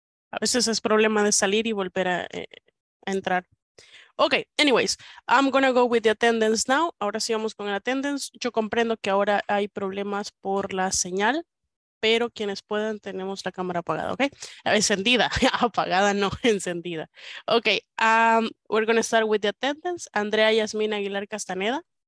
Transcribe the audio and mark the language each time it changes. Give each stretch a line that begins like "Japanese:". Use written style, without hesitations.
Spanish: A veces es problema de salir y volver a entrar.
English: Okay, anyways, I'm gonna go with the attendance now.
Spanish: Ahora sí vamos con el attendance. Yo comprendo que ahora hay problemas por la señal, pero quienes puedan, tenemos la cámara apagada, ¿ok? Encendida, apagada no, encendida.
English: Ok, we're going to start with the attendance. Andrea Yasmín Aguilar Castaneda.